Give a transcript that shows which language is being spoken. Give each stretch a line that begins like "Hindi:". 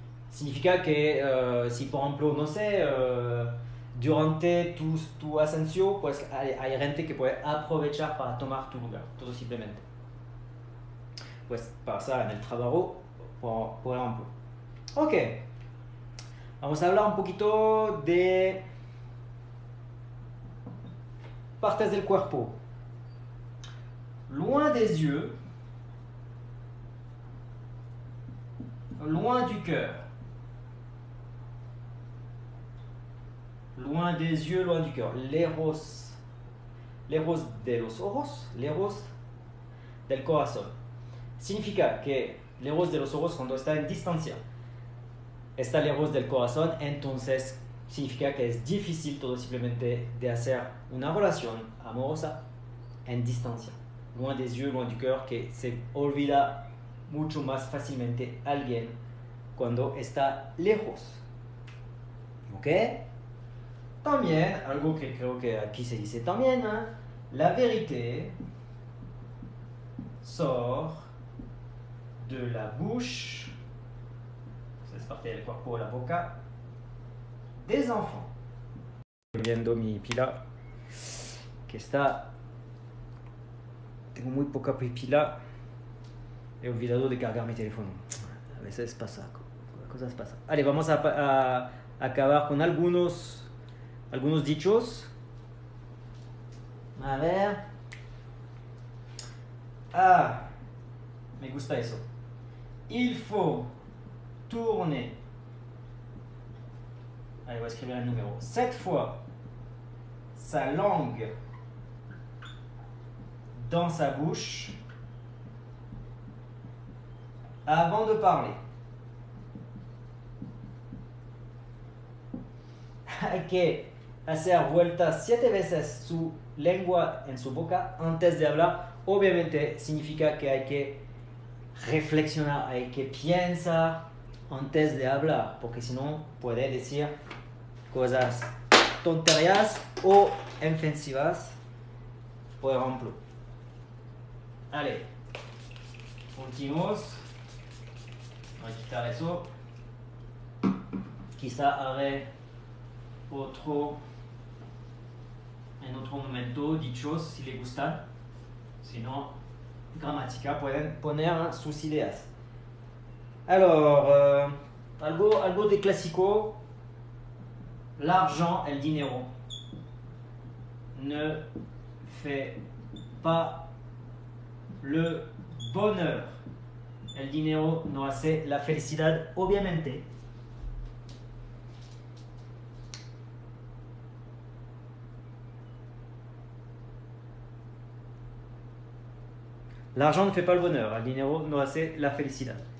Spanish: Significa que si, por ejemplo, no sé, durante tu ascensión, pues hay gente que puede aprovechar para tomar tu lugar, todo simplemente. Pues pasa en el trabajo, por ejemplo. Ok, vamos a hablar un poquito de partes del cuerpo.
French: Loin des yeux, loin du cœur. Loin des yeux, loin du cœur.
Spanish: Lejos de los ojos, lejos del corazón. Significa que lejos de los ojos cuando está en distancia, está lejos del corazón, entonces significa que es difícil todo simplemente de hacer una relación amorosa en distancia.
French: Loin des yeux, loin du cœur,
Spanish: que se olvida mucho más fácilmente alguien cuando está lejos. ¿Ok? También, algo que creo que aquí se dice también, ¿eh?
French: La vérité sort de la bouche, ça se partait
Spanish: del cuerpo, la boca,
French: des enfants.
Spanish: Viendo mi pila, que está. Tengo muy poca pila. He olvidado de cargar mi teléfono. A veces pasa. Cosas pasan. Vale, vamos a acabar con algunos dichos. A ver. Ah, me gusta eso.
French: Il faut tourner.
Spanish: Allez, voy a escribir el número.
French: 7 fois sa langue dans sa bouche avant de parler.
Spanish: Hay que hacer vueltas 7 veces su lengua en su boca antes de hablar. Obviamente significa que hay que reflexionar, hay que pensar antes de hablar, porque si no puede decir cosas tonterías o inofensivas, por ejemplo.
French: Allez, continuons. On va quitter eso.
Spanish: Quizá haré otro, en otro momento, dichos, si les gustan. Si no, gramática, pueden poner sus ideas. Alors, algo de clásico.
French: L'argent,
Spanish: el dinero,
French: ne fait pas le bonheur.
Spanish: El dinero no hace la felicidad, obviamente.
French: L'argent ne fait pas le bonheur, le
Spanish: dinero no hace la felicidad.